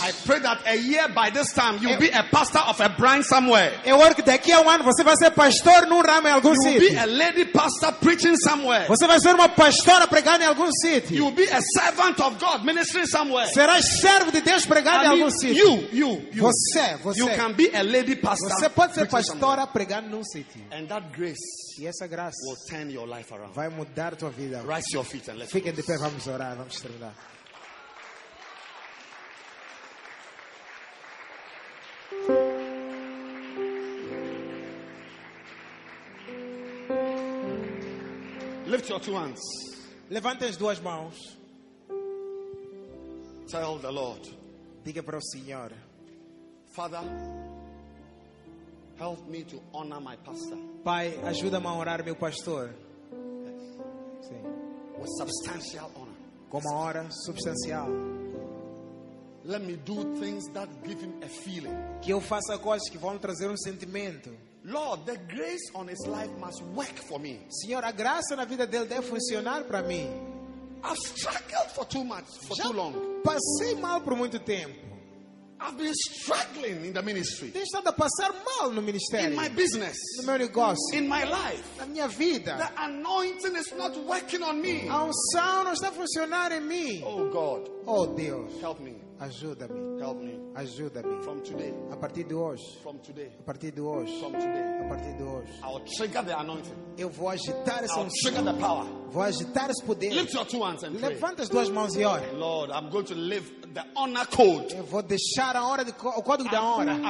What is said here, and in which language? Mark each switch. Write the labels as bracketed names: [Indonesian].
[English] I pray that a year by this time you'll be a pastor of a branch somewhere. [Portuguese] Eu quero que daqui a um ano você vai ser pastor num ramo em algum sítio. [English] You'll be a lady pastor preaching somewhere. [Portuguese] Você vai ser uma pastora pregando em algum sítio. [English] You'll be a servant of God ministering somewhere. [Portuguese] Será servo de Deus pregando em algum sítio. [English] You can be a lady pastor. [Portuguese] Você pode ser pastora pregando num sítio. [English] And that grace, [Portuguese] e essa graça, [English] will turn your life around. [Portuguese] Vai mudar tua vida. [English] Rise your feet and let's [Portuguese] fique de pé, vamos orar, vamos. [English] Lift your two hands. [Portuguese] Levante as duas mãos. [English] Tell the Lord. [Portuguese] Diga para o Senhor. [English] Father, help me to honor my pastor. [Portuguese] Pai, ajuda-me a honrar meu pastor. [English] Yes. [Portuguese] Sim. [English] With substantial honor. [Portuguese] Com uma hora substancial. [English] Let me do things that give him a feeling. [Portuguese] Que eu faça coisas que vão trazer sentimento. [English] Lord, the grace on his life must work for me. [Portuguese] Senhor, a graça na vida dele deve funcionar para mim. [English] I've struggled for too much, for [Portuguese] já [English] too long. [Portuguese] Passei mal por muito tempo. [English] I've been struggling in the ministry. [Portuguese] Tenho estado a passar mal no ministério. [English] In my business. [Portuguese] No meu negócio. [English] In my life. [Portuguese] Na minha vida. [English] The anointing is not working on me. [Portuguese] A unção não está a funcionar em mim. [English] Oh God. [Portuguese] Oh Deus. [English] Help me. [Portuguese] Ajuda-me. [English] Help me. [Portuguese] Ajuda-me. [English] From today. [Portuguese] A partir de hoje. [English] From today. [Portuguese] A partir de hoje. [English] From today. [Portuguese] A partir de hoje. [English] I'll trigger the anointing. [Portuguese] Eu vou agitar essa unção. [English] I'll trigger the power. [Portuguese] Vou agitar esse poder. [English] Lift your two hands and pray. [Portuguese] Levanta as duas mãos e ore. [English] Lord, I'm going to live the honor code. [Portuguese] Eu vou deixar a hora de, o código da honra.